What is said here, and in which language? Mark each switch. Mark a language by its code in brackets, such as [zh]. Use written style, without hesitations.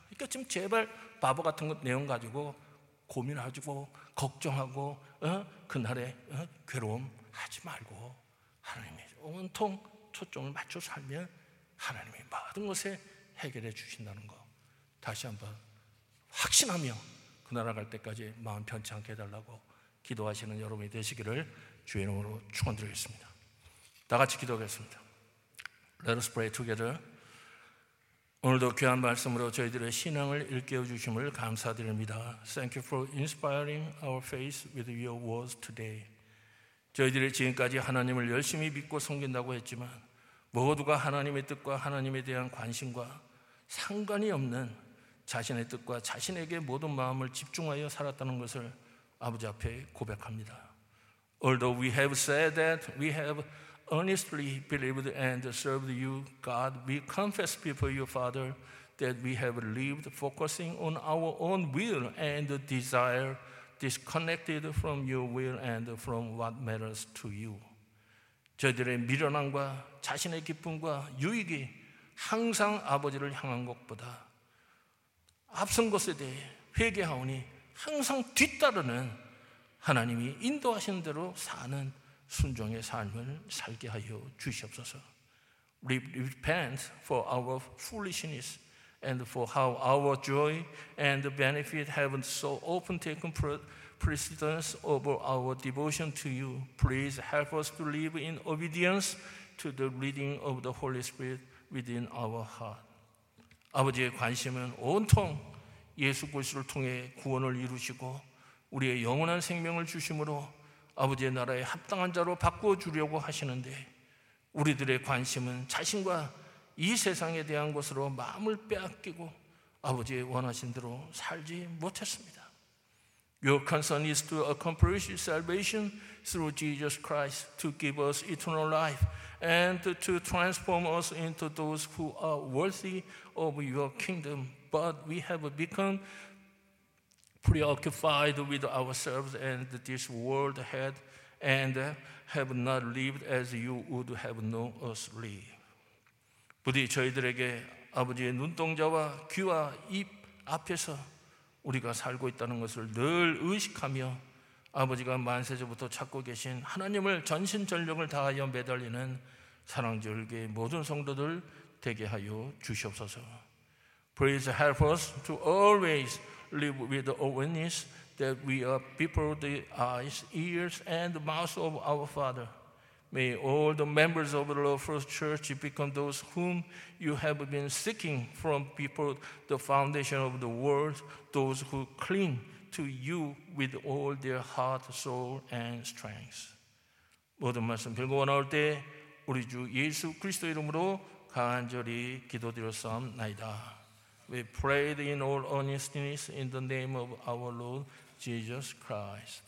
[ko] 그러니까 지금 제발 바보 같은 것 내용 가지고 고민하고 걱정하고 그 나라의 괴로움 하지 말고 하나님의 온통 초점을 맞춰 살면 하나님이 모든 것에 해결해 주신다는 거 다시 한번 확신하며 그 나라 갈 때까지 마음 편치 않게 해달라고 기도하시는 여러분이 되시기를 주의 이름으로 축원드리겠습니다. 다 같이 기도하겠습니다. [en] Let us pray together. [ko] 오늘도 귀한 말씀으로 저희들의 신앙을 일깨워 주심을 감사드립니다. [en] Thank you for inspiring our faith with your words today. [ko] 저희들이 지금까지 하나님을 열심히 믿고 섬긴다고 했지만 모두가 하나님의 뜻과 하나님에 대한 관심과 상관이 없는 자신의 뜻과 자신에게 모든 마음을 집중하여 살았다는 것을 아버지 앞에 고백합니다. [en] Although we have said that we have honestly believed and served you, God, we confess before you, Father, that we have lived focusing on our own will and desire, disconnected from your will and from what matters to you. [ko] 저들의 미련함과 자신의 기쁨과 유익이 항상 아버지를 향한 것보다 앞선 것에 대해 회개하오니 항상 뒤따르는 하나님이 인도하신 대로 사는 순종의 삶을 살게 하여 주시옵소서. [en] We repent for our foolishness and for how our joy and benefit have so often taken precedence over our devotion to you. Please help us to live in obedience to the leading of the Holy Spirit within our heart. [ko] 아버지의 관심은 온통 예수 그리스도를 통해 구원을 이루시고 우리의 영원한 생명을 주심으로 아버지의 나라에 합당한 자로 바꾸어 주려고 하시는데 우리들의 관심은 자신과 이 세상에 대한 것으로 마음을 빼앗기고 아버지의 원하신 대로 살지 못했습니다. [en] Your concern is to accomplish salvation through Jesus Christ, to give us eternal life, and to transform us into those who are worthy of your kingdom. But we have become preoccupied with ourselves and this world ahead and have not lived as you would have known us live. [ko] 부디 저희들에게 아버지의 눈동자와 귀와 입 앞에서 우리가 살고 있다는 것을 늘 의식하며 아버지가 만세제부터 찾고 계신 하나님을 전신전력을 다하여 매달리는 사랑절개의 모든 성도들 되게 하여 주시옵소서. [en] Please help us to always live with the awareness that we are before the eyes, ears, and mouth of our Father. May all the members of the First Church become those whom you have been seeking from before the foundation of the world, those who cling to you with all their heart, soul, and strength. [ko] 모든 말씀 빌고 원할 때 우리 주 예수 그리스도 이름으로 간절히 기도드렸사옵나이다. [en] We prayed in all earnestness in the name of our Lord Jesus Christ.